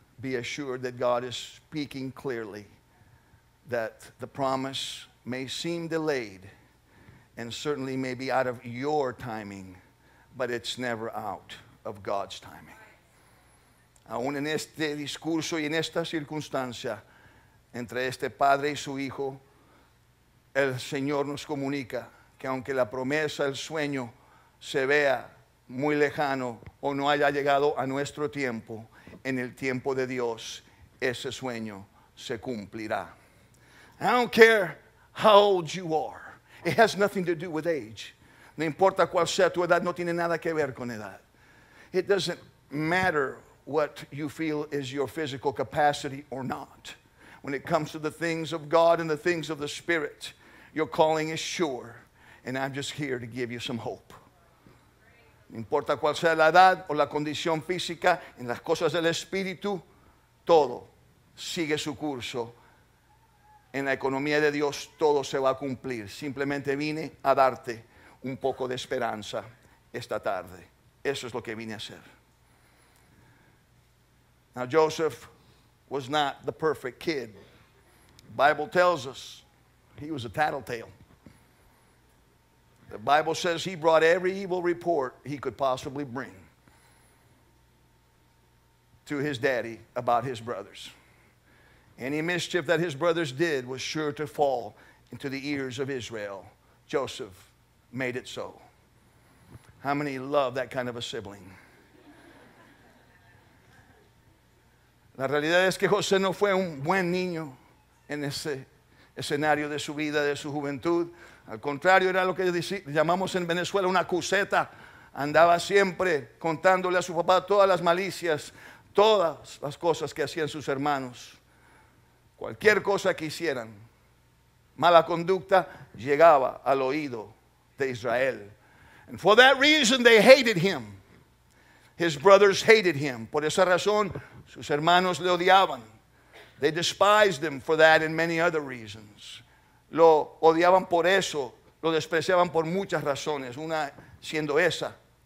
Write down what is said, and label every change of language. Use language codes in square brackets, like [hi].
[en] be assured that God is speaking clearly, that the promise may seem delayed and certainly may be out of your timing, but it's never out of God's timing. [es] Aún en este discurso y en esta circunstancia, entre este padre y su hijo, el Señor nos comunica que aunque la promesa, el sueño, se vea muy lejano o no haya llegado a nuestro tiempo, en el tiempo de Dios, ese sueño se cumplirá. [en] I don't care how old you are. It has nothing to do with age. [es] No importa cuál sea tu edad, no tiene nada que ver con edad. [en] It doesn't matter what you feel is your physical capacity or not. When it comes to the things of God and the things of the Spirit, your calling is sure, and I'm just here to give you some hope. [es] No importa cuál sea la edad o la condición física, en las cosas del Espíritu, todo sigue su curso. En la economía de Dios, todo se va a cumplir. Simplemente vine a darte un poco de esperanza esta tarde. Eso es lo que vine a hacer. [en] Now, Joseph was not the perfect kid. The Bible tells us he was a tattletale. The Bible says he brought every evil report he could possibly bring to his daddy about his brothers. Any mischief that his brothers did was sure to fall into the ears of Israel. Joseph made it so. How many love that kind of a sibling? [es] La realidad es que José no fue un buen niño en ese escenario de su vida, de su juventud. Al contrario, era lo que llamamos en Venezuela una cuseta. Andaba siempre contándole a su papá todas las malicias, todas las cosas que hacían sus hermanos. Cualquier cosa que hicieran, mala conducta, llegaba al oído de Israel. [en] And for that reason, they hated him. His brothers hated him. [es] Por esa razón, sus hermanos le odiaban. [en] They despised him for that and many other reasons. [es] Lo odiaban por eso, lo despreciaban por muchas razones, una siendo esa.